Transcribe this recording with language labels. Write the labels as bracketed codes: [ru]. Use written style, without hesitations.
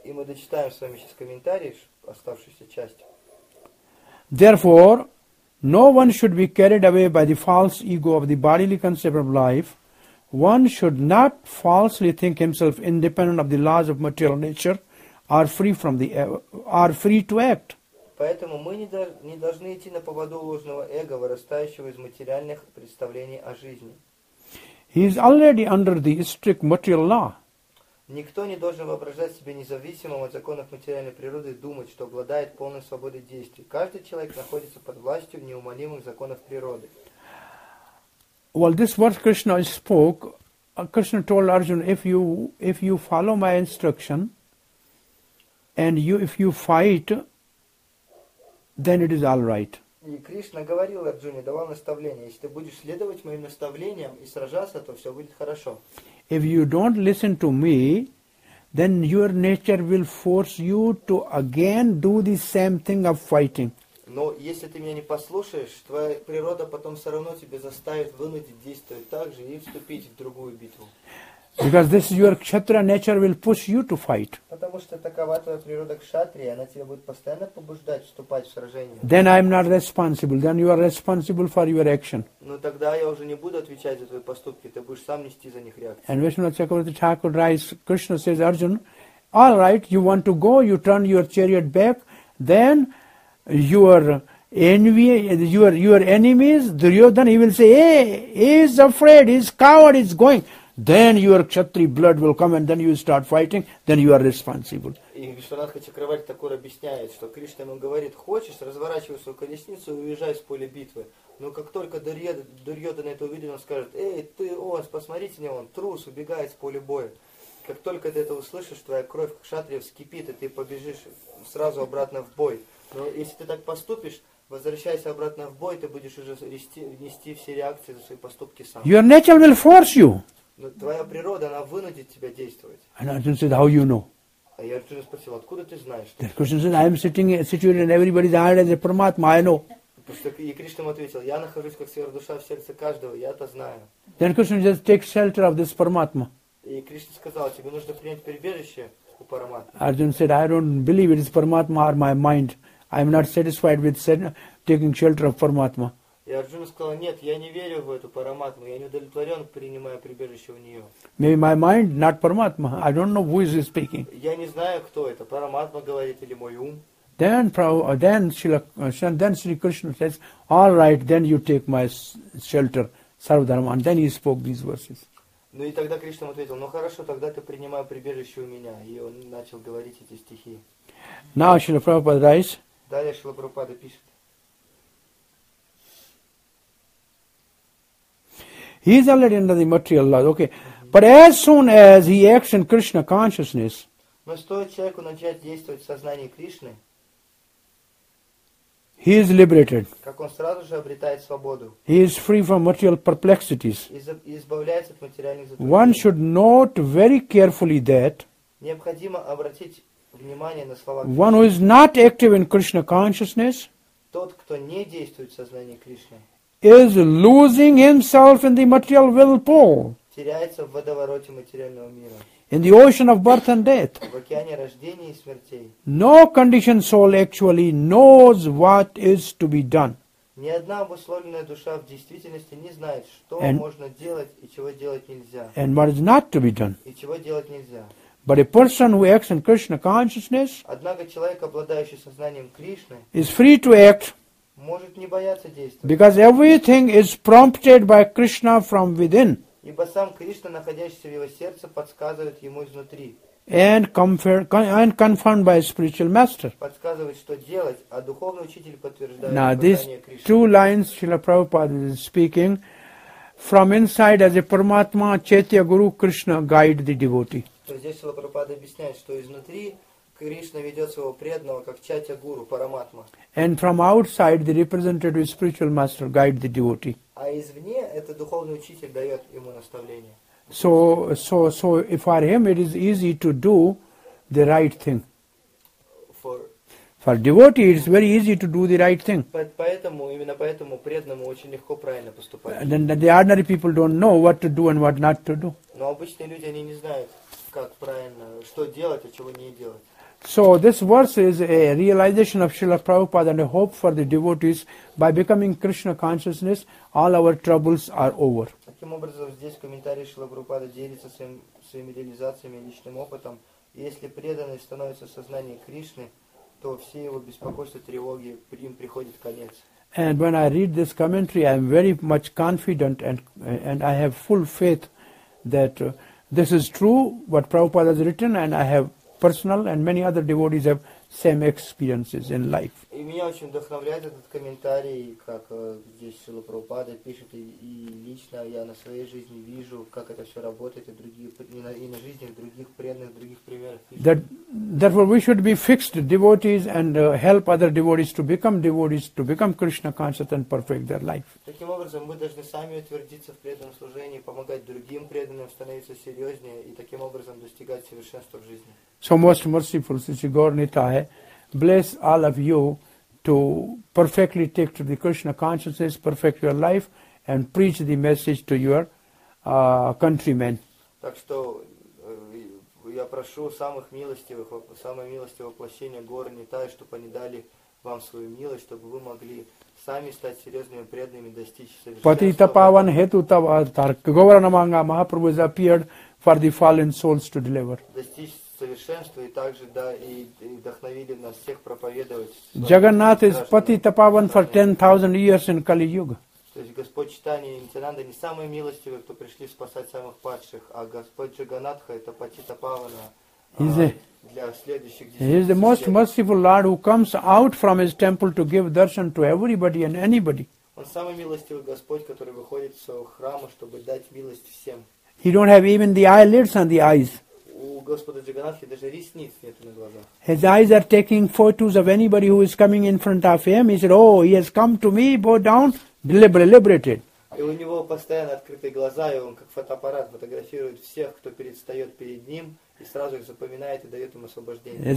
[ru] И мы дочитаем с вами сейчас комментарий, оставшуюся часть. [en] Therefore, no one should be carried away by the false ego of the bodily concept of life. One should not falsely think himself independent of the laws of material nature, are free to act. [ru] Поэтому мы не должны идти на поводу ложного эго, вырастающего из материальных представлений о жизни. [en] He is already under the strict material law. [ru] Никто не должен воображать себя независимым от законов материальной природы и думать, что обладает полной свободой действий. Каждый человек находится под властью неумолимых законов природы. [en] Well, this verse Krishna spoke, Krishna told Arjuna, if you follow my instruction, and if you fight, then it is all right. [ru] И Кришна говорил Арджуне, давал наставление, если ты будешь следовать моим наставлениям и сражаться, то все будет хорошо. [en] If you don't listen to me, then your nature will force you to again do the same thing of fighting. [ru] Но если ты меня не послушаешь, твоя природа потом все равно тебя заставит вынудить действовать так же и вступить в другую битву. [en] Because this is your kshatriya nature will push you to fight. [ru] Потому что такова твоя природа кшатрия, она тебя будет постоянно побуждать вступать в сражение. [en] Then I'm not responsible. Then you are responsible for your action. [ru] Но тогда я уже не буду отвечать за твои поступки, ты будешь сам нести за них реакцию. [en] And Vishnu Chakravarti Thakur writes, Krishna says, Arjun, all right, you want to go, you turn your chariot back, then your enemies, Duryodhana, he will say, hey, he is afraid, he is coward, he is going. then your Kshatri blood will come and then you start fighting, then you are responsible. [ru] И Вишванат Хачакраварти Такур объясняет, что Кришна ему говорит, хочешь, разворачивай свою колесницу и уезжай с поля битвы. Но как только Дурьодана это увидит, он скажет, эй, ты, Ос, посмотрите на него, он трус, убегает с поля боя. Как только ты это услышишь, твоя кровь кшатрия вскипит, и ты побежишь сразу обратно в бой. Но если ты так поступишь, возвращайся обратно в бой, ты будешь уже нести все реакции за свои поступки сам. [en] Your nature will force you. [ru] Но твоя природа, она вынудит тебя действовать. [en] And Arjun said, how you know? [ru] А я Арджуна спросил, откуда ты знаешь? [en] Then Krishna said, I am sitting situated in everybody's heart as a Paramatma, I know. [ru] И Кришна ему ответил, я нахожусь как сверхдуша в сердце каждого, я-то знаю. [en] Then Krishna just take shelter of this Paramatma. [ru] И Кришна сказал, тебе нужно принять прибежище у Параматмы. [en] Arjuna said, I don't believe it is Paramatma or my mind. I am not satisfied with taking shelter of Paramatma. [ru] И Арджуна сказал, нет, я не верю в эту Параматму, я не удовлетворен, принимая прибежище у нее. [en] Maybe my mind, not Paramatma. I don't know who is speaking. [ru] Я не знаю, кто это, Параматма говорит или мой ум. [en] Then Sri Krishna says, all right, then you take my shelter, Sarvadharma. And then he spoke these verses. [ru] Ну и тогда Кришна ответил, ну хорошо, тогда ты принимай прибежище у меня. И он начал говорить эти стихи. [en] Now Srila Prabhupada writes. [ru] Далее Srila Prabhupada пишет. [en] He is already under the material law, okay. Mm-hmm. But as soon as he acts in Krishna consciousness. [ru] Но стоит человеку начать действовать в сознании Кришны. [en] He is liberated. [ru] Как он сразу же обретает свободу. [en] He is free from material perplexities. [ru] И избавляется от материальных затруднений. [en] One should note very carefully that. [ru] Необходимо обратить внимание на слова. [en] One who is not active in Krishna consciousness. [ru] Тот, кто не действует в сознании Кришны. [en] Is losing himself in the material will pool. [ru] Теряется в водовороте материального мира. [en] In the ocean of birth and death. [ru] В океане рождения и смертей. [en] No conditioned soul actually knows what is to be done. [ru] Ни одна обусловленная душа в действительности не знает, что and, можно делать и чего делать нельзя. [en] And what is not to be done. [ru] И чего делать нельзя. [en] But a person who acts in Krishna consciousness. [ru] Однако человек, обладающий сознанием Кришны. [en] Is free to act. [ru] Может не бояться действовать. [en] Because everything is prompted by Krishna from within. [ru] Ибо сам Кришна, находящийся в его сердце, подсказывает ему изнутри. [en] And confirmed by a spiritual master. [ru] Подсказывает, что делать, а духовный учитель подтверждает Кришны. [en] Now, these two lines Srila Prabhupada is speaking, from inside as a Paramatma, Chaitya Guru, Krishna guide the devotee. [ru] То есть здесь Srila Prabhupada объясняет, что изнутри Кришна ведет своего преданного, как Чатья Гуру, Параматма. [en] And from outside, the representative spiritual master guide the devotee. [ru] А извне этот духовный учитель дает ему наставление. [en] So for him it is easy to do the right thing. For devotee it is very easy to do the right thing. [ru] Поэтому именно поэтому преданному очень легко правильно поступать. [en] And then the ordinary people don't know what to do and what not to do. [ru] Но обычные люди они не знают, как правильно, что делать, а чего не делать. [en] So this verse is a realization of Srila Prabhupada and a hope for the devotees. By becoming Krishna consciousness, all our troubles are over. [ru] Таким образом, здесь в комментарии Шрила Прабхупада делится своими реализациями и личным опытом. Если преданный становится в сознании Кришны, то все его беспокойства, тревоги, им приходит конец. [en] And when I read this commentary, I am very much confident and I have full faith that this is true, what Prabhupada has written, and I have personal and many other devotees have same experiences in life. [ru] И меня очень вдохновляет этот комментарий, как здесь Шрила Прабхупада пишет, и лично я на своей жизни вижу, как это все работает, и другие и на жизни других преданных, других примеров. [en] Therefore, we should be fixed devotees and help other devotees, to become Krishna conscious and perfect their life. [ru] Таким образом, мы должны сами утвердиться в преданном служении, помогать другим преданным становиться серьезнее и таким образом достигать совершенства в жизни. [en] So most merciful, Sri Gauranitaya, bless all of you to perfectly take to the Krishna consciousness, perfect your life, and preach the message to your countrymen. [ru] Так что я прошу самых милостивых, самое милостивое воплощение Гауранитаи, чтобы они дали вам свою милость, чтобы вы могли сами стать серьезными преданными, достичь совершенства. [bn] Патита паван хету тавар [en] Гауранаманга Махапрабху has appeared for the fallen souls to deliver. [ru] Совершенство и также да и вдохновили нас всех проповедовать. [en] Джаганнат is Пати Тапаван for 10,000 years in Kali Yuga. [ru] То есть Господь Читания и Нитянанда не самые милостивые, кто пришли спасать самых падших, а Господь Джаганатха это Патита Павана для следующих десяти. [en] He is the most merciful Lord who comes out from his temple to give darshan to everybody and anybody. [ru] Он самый милостивый Господь, который выходит из своего храма, чтобы дать милость всем. [en] He don't have even the eyelids on the eyes. [ru] У Господа Джаганатхи даже ресниц нет на глазах. [en] His eyes are taking photos of anybody who is coming in front of him. He said, "Oh, he has come to me, bow down." Liberated. [ru] И у него постоянно открытые глаза, и он как фотоаппарат фотографирует всех, кто предстает перед ним, и сразу их запоминает и дает им освобождение.